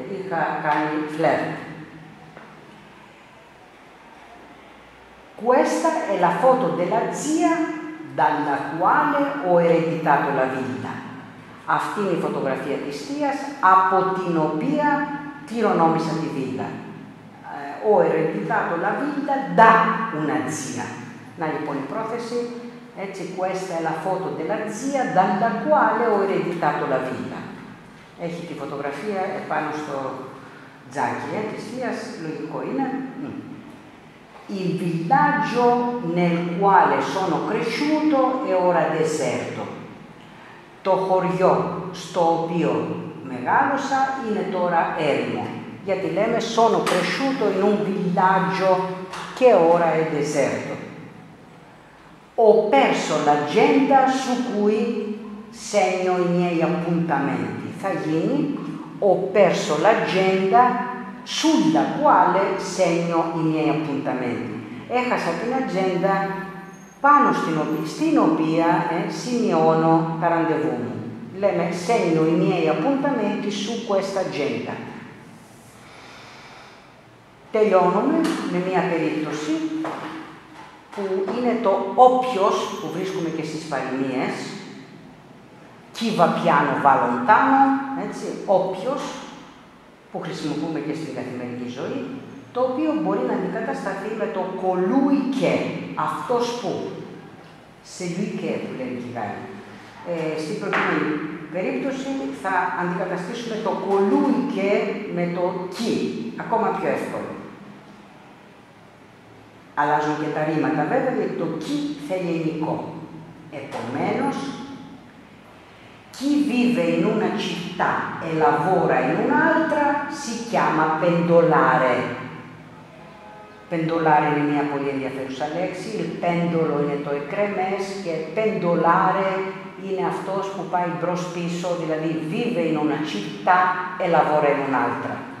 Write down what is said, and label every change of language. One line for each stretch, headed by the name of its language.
Greek: Είχα κάνει φλερτ.
Italian: Questa è la foto della zia dalla quale ho ereditato la villa.
Greek: Αυτή είναι η φωτογραφία της θείας, από την οποία χειρονόμησα τη villa.
Italian: Ho ereditato la villa da una zia.
Greek: Να λοιπόν η πρόθεση, έτσι,
Italian: questa è la foto della zia dalla quale ho ereditato la villa.
Greek: Έχει τη φωτογραφία επάνω στο τζάκι της θείας, λογικό είναι.
Italian: Il villaggio nel quale sono cresciuto è ora deserto.
Greek: Το χωριό στο οποίο μεγάλωσα είναι τώρα έρημο. Γιατί λέμε
Italian: «sono cresciuto in un villaggio che ora è deserto». Ho perso l'agenda su cui segno i miei appuntamenti.
Greek: Θα γίνει
Italian: «ho perso l'agenda sulla quale segno i miei appuntamenti».
Greek: Έχασα την ατζέντα πάνω στην οποία σημειώνω τα ραντεβού μου. Λέμε
Italian: «segno i miei appuntamenti su questa agenda».
Greek: Τελειώνουμε με μία περίπτωση που είναι το «όποιος» που βρίσκουμε και στις παροιμίες.
Italian: «Chi va piano va lontano»,
Greek: έτσι, «όποιος» που χρησιμοποιούμε και στην καθημερινή ζωή, το οποίο μπορεί να αντικατασταθεί με το «colui che», «αυτός που», «celui che» που λένε οι Γάλλοι. Στην προηγούμενη περίπτωση θα αντικαταστήσουμε το «colui che» με το «chi», ακόμα πιο εύκολο. Αλλάζουν και τα ρήματα βέβαια, γιατί το «chi» θέλει ελληνικό.
Italian: Επομένως, «chi vive in una città e lavora in un'altra si chiama pendolare».
Greek: Πεντολάρε είναι μια πολύ ενδιαφέρουσα λέξη.
Italian: Il pendolo
Greek: είναι το εκρεμές και
Italian: pendolare
Greek: είναι αυτός που πάει μπρος-πίσω, δηλαδή
Italian: vive in una città e lavora in un'altra.